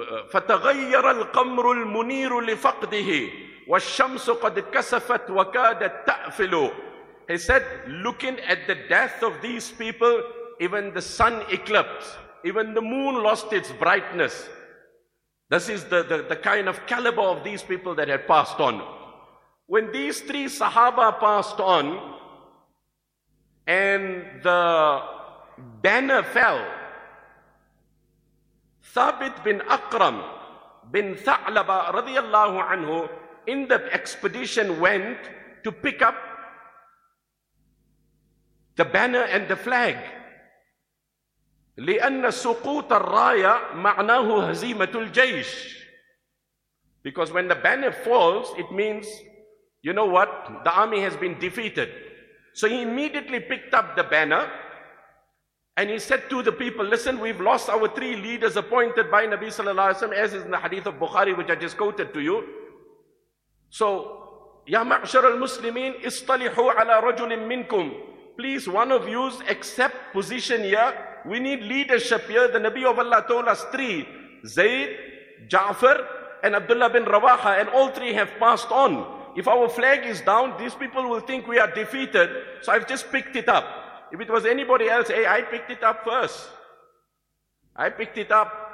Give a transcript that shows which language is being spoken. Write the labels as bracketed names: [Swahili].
[Arabic] فتغير القمر المنير لفقده والشمس قد كسفت وكادت تأفل. [English] He said, looking at the death of these people, even the sun eclipsed, even the moon lost its brightness. This is the kind of caliber of these people that had passed on. When these three Sahaba passed on and the banner fell, Thabit bin Akram bin Tha'laba radiallahu anhu in the expedition went to pick up the banner and the flag. [Arabic] لأن سقوط الراية معناه هزيمة الجيش. [English] Because when the banner falls, it means, you know what, the army has been defeated. So he immediately picked up the banner and he said to the people, listen, we've lost our three leaders appointed by Nabi Sallallahu Alaihi Wasallam, as is in the hadith of Bukhari, which I just quoted to you. [Arabic] So, يا معشر المسلمين اصطلحوا على رجل منكم. [English] Please, one of you accept position here. We need leadership here. The Nabi of Allah told us three, Zayd, Ja'far, and Abdullah bin Rawaha, and all three have passed on. If our flag is down, these people will think we are defeated. So I've just picked it up. If it was anybody else, hey, I picked it up first. I picked it up.